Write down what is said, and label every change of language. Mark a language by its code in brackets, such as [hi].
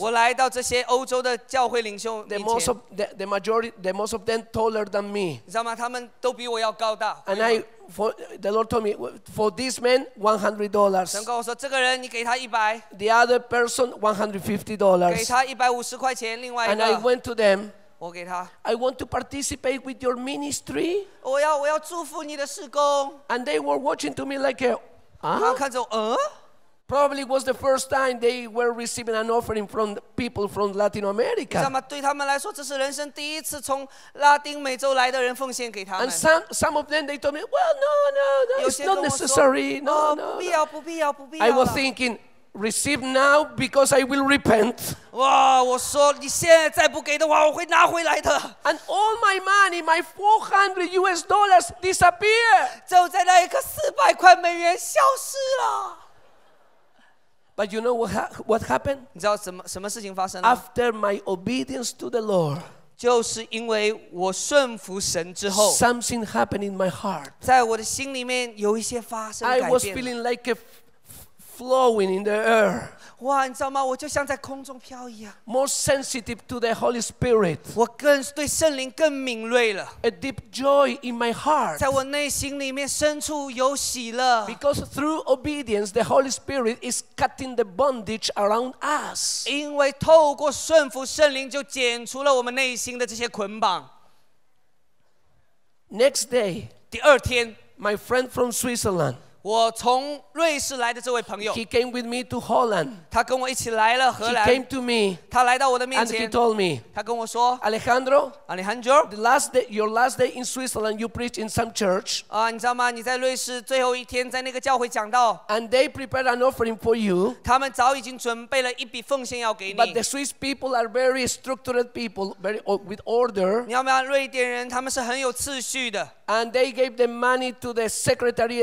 [zh] 我来到这些欧洲的教会领袖面前。 [en] Most of them taller than me. [zh] 你知道吗？他们都比我要高大。 [en] And the Lord told me, for this man, $100. [zh] 神跟我说，这个人你给他100。 [en] The other person, $150. [zh] 给他150块钱，另外一个。 [en] And I went to them. [zh] 我给他。 [en] I want to participate with your ministry. [zh] 我要祝福你的事工。 [en] And they were watching to me like a, [zh] 他看着我，嗯。 [en] Probably was the first time they were receiving an offering from people from Latin America. [zh] 知道吗？对他们来说，这是人生第一次从拉丁美洲来的人奉献给他们。 [en] And some of them they told me, well, no, it's not necessary. No, no, [zh] 不要，不必要，不必要。 [en] I was thinking, receive now because I will repent. [zh] 哇，我说你现在再不给的话，我会拿回来的。 [en] And all my money, my 400 US dollars disappear. [zh] 就在那一刻，400块美元消失了。 [en] But you know what happened? [zh] 你知道什么事情发生了？ [en] After my obedience to the Lord, [zh] 就是因为我顺服神之后， [en] something happened in my heart. [zh] 在我的心里面有一些发生改变。 [en] I was feeling like a flowing in the air. [zh] 哇，你知道吗？我就像在空中飘一样。 [en] More sensitive to the Holy Spirit. [zh] 我更对圣灵更敏锐了。 [en] A deep joy in my heart. [zh] 在我内心里面深处有喜乐。 [en] Because through obedience, the Holy Spirit is cutting the bondage around us. [zh] 因为透过顺服，圣灵就剪除了我们内心的这些捆绑。 [en] Next day, [zh] 第二天 [en] my friend from Switzerland. [zh] 我从瑞士来的这位朋友 [en] He came with me to Holland. [zh] 他跟我一起来了荷兰 [en] He came to me. [zh] 他来到我的面前 [en] And he told me. [zh] 他跟我说 [en] Alejandro, the last day, your last day in Switzerland, you preached in some church. [zh] 你知道吗？你在瑞士最后一天在那个教会讲道 [en] And they prepared an offering for you. [zh] 他们早已经准备了一笔奉献要给你 [en] But the Swiss people are very structured people, very with order. [zh] 你知道吗？瑞典人他们是很有秩序的 [en] And they gave the money to the secretary.